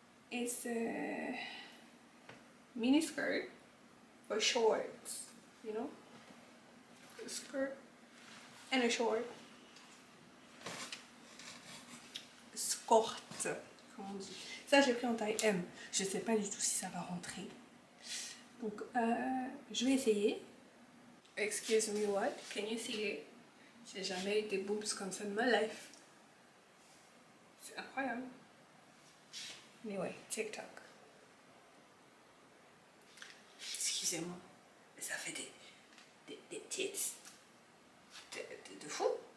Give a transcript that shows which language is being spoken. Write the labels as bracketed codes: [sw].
[fr] Et c'est [en] mini skirt or shorts, you know, a skirt and a short, skort, [fr] comment on dit. Ça j'ai pris en taille M, je sais pas du tout si ça va rentrer, donc je vais essayer. [en] Excuse me, what, can you see it? [fr] J'ai jamais eu des boobs comme ça de ma life, c'est incroyable. Anyway, TikTok. Excusez-moi, ça fait des tits de fou.